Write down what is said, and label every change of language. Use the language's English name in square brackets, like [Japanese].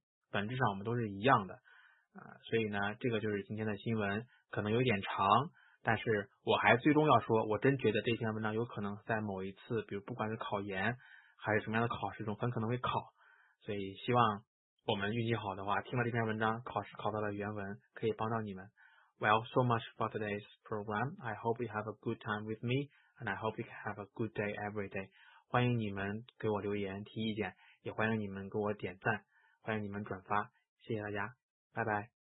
[Chinese] 本质上我们都是一样的啊、所以呢，这个就是今天的新闻，可能有点长，但是我还最终要说，我真觉得这篇文章有可能在某一次，比如不管是考研还是什么样的考试中，很可能会考，所以希望我们运气好的话，听了这篇文章，考试考到了原文，可以帮到你们。 [English] Well, so much for today's program. I hope you have a good time with me, and I hope you can have a good day every day. [Chinese] 欢迎你们给我留言提意见，也欢迎你们给我点赞，欢迎你们转发，谢谢大家，拜拜。